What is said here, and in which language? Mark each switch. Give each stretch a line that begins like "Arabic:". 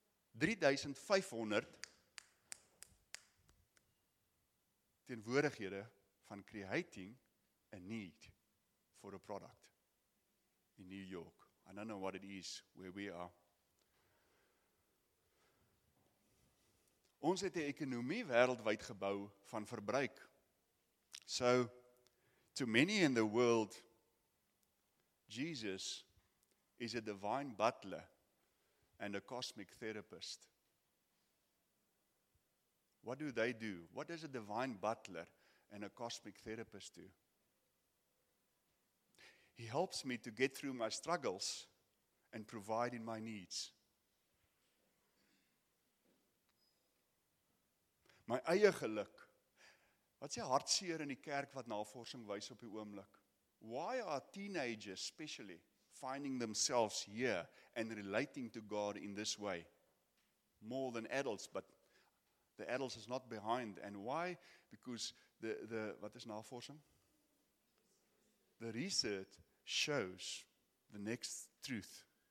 English: 3,500
Afrikaans: teenwoordighede van
English: creating a need for a product in New York. I don't know what it is where we are.
Afrikaans: Ons het 'n ekonomie wêreldwyd gebou van verbruik.
English: So, to many in the world, Jesus is a divine butler and a cosmic therapist. What do they do? What does a divine butler and a cosmic therapist do? He helps me to get through my struggles and provide in my needs.
Afrikaans: My eie geluk. Wat is die hartseer in die kerk wat navorsing wys op die oomblik?
English: Why are teenagers especially finding themselves here and relating to God in this way? More than adults, but the adults is not behind. And why? Because the what is navorsing? The research shows the next truth.